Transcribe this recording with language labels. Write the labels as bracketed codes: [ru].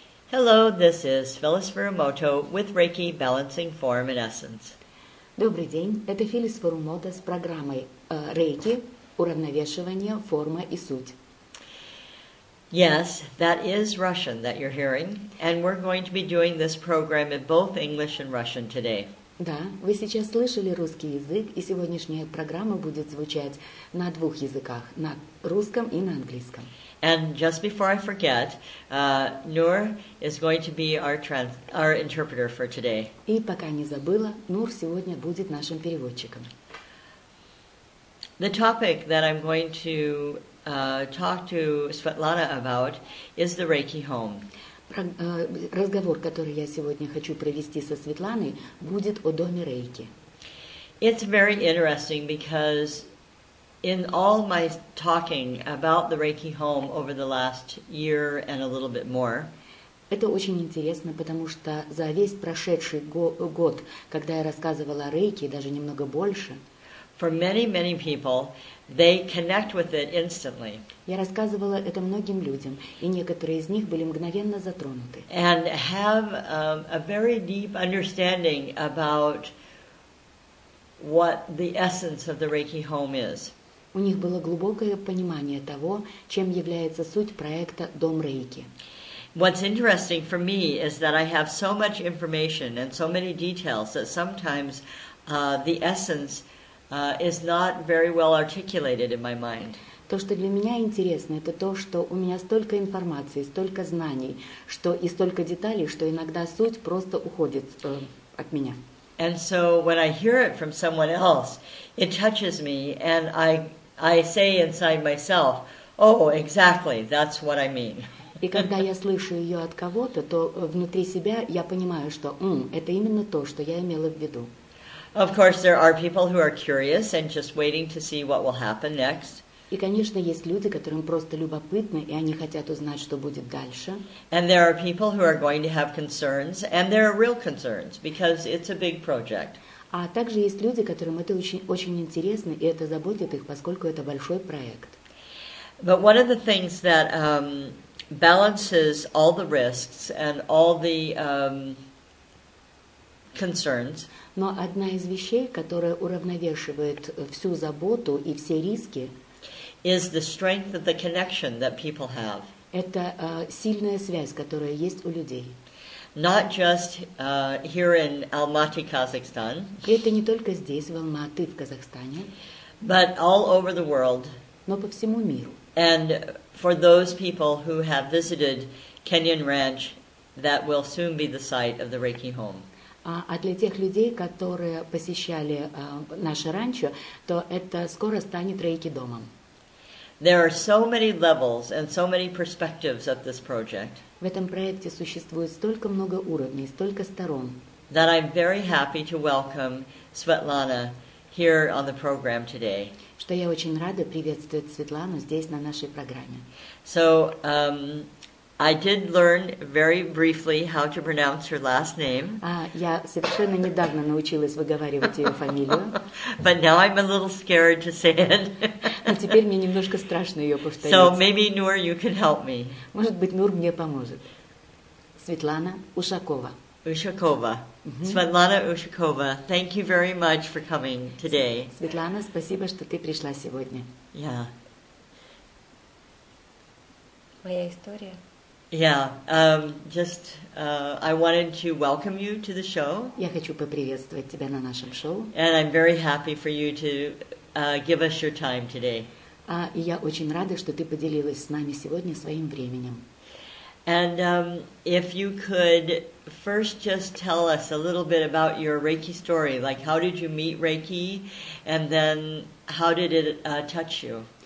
[en] Hello, this is Phyllis Furumoto with Reiki Balancing Form and Essence. [ru] Добрый день, это Филлис Фурумото с программой Рейки, уравновешивание, форма и суть. [en] Yes, that is Russian that you're hearing, and we're going to be doing this program in both English and Russian today. [ru] Да, вы сейчас слышали русский язык, и сегодняшняя программа будет звучать на двух языках, на русском и на английском. [en] And just before I forget, Noor is going to be our interpreter for today. [ru] И пока не забыла, Нур сегодня будет нашим переводчиком. [en] The topic that I'm going to talk to Svetlana about is the Reiki home. [ru] Разговор, который я сегодня хочу провести со Светланой, будет о доме Рейки. [en] It's very interesting because in all my talking about the Reiki home over the last year and a little bit more. [ru] Это очень интересно, потому что за весь прошедший год, когда я рассказывала о Рейки, даже немного больше. [en] For many, many people, they connect with it instantly. [ru] Я рассказывала это многим людям, и некоторые из них были мгновенно затронуты. [en] And have a very deep understanding about what the essence of the Reiki home is. [ru] У них было глубокое понимание того, чем является суть проекта «Дом Рейки». [en] What's interesting for me is that I have so much information and so many details that sometimes the essence is not very well articulated in my mind. [ru] То, что для меня интересно, это то, что у меня столько информации, столько знаний, что и столько деталей, что иногда суть просто уходит от меня. [en] And so when I hear it from someone else, it touches me, and I say inside myself, "Oh, exactly, that's what I mean." [ru] И когда я слышу ее от кого-то, то внутри себя я понимаю, что это именно то, что я имела в виду. [en] Of course, there are people who are curious and just waiting to see what will happen next. [ru] И, конечно, есть люди, которым просто любопытно, и они хотят узнать, что будет дальше. [en] And there are people who are going to have concerns, and there are real concerns, because it's a big project. [ru] А также есть люди, которым это очень, очень интересно, и это заботит их, поскольку это большой проект. [en] But one of the things that balances all the risks and all the concerns. [ru] Но одна из вещей, которая уравновешивает всю заботу и все риски, [en] is the strength of the connection that people have. [ru] Это сильная связь, которая есть у людей. [en] Not just here in Almaty, Kazakhstan. [ru] Это не только здесь, в Алматы, в Казахстане. [en] But all over the world. [ru] Но по всему миру. [en] And for those people who have visited Kenyan Ranch, that will soon be the site of the Reiki home. [ru] А для тех людей, которые посещали наше ранчо, то это скоро станет Рейки домом. [en] There are so many levels and so many perspectives of this project. [ru] В этом проекте существует столько много уровней, столько сторон. [en] That I'm very happy to welcome Svetlana here on the program today. [ru] Что я очень рада приветствовать Светлану здесь на нашей программе. [en] So I did learn very briefly how to pronounce her last name. [ru] Я совершенно недавно научилась выговаривать ее фамилию. [en] But now I'm a little scared to say it. [ru] Но теперь мне немножко страшно ее повторить. [en] So maybe Noor, you can help me. [ru] Может быть, Нур мне поможет. Светлана Ушакова. [en] Ушакова. Светлана Ушакова. Thank you very much for coming today. [ru] Светлана, спасибо, что ты пришла сегодня. [en] Yeah. [ru] Моя история. [en] Yeah, I wanted to welcome you to the show. [ru] Я хочу поприветствовать тебя на нашем шоу. [en] And I'm very happy for you to give us your time today. [ru] И я очень рада, что ты поделилась с нами сегодня своим временем. [en] And if you could first just tell us a little bit about your Reiki story, like how did you meet Reiki, and then how did it touch you?